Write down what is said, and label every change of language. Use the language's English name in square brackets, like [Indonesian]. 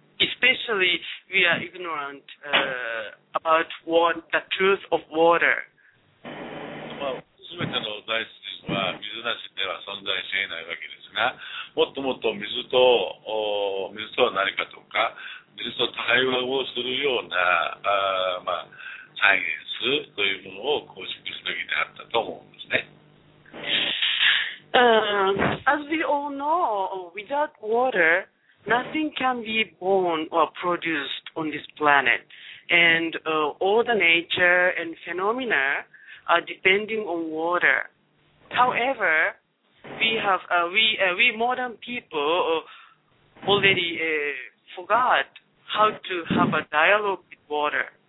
[English] Especially, we are ignorant about what the truth of water. [Japanese] Well, 全ての大地は水なしでは存在しないわけですが、もっともっと水とは何かとか、水と対話をするようなサイエンスというものを構築すべきであったと思うんですね。 [English] As we all know, without water, nothing can be born or produced on this planet. And all the nature and phenomena are depending on water. However, we modern people already forgot how to have a dialogue with water.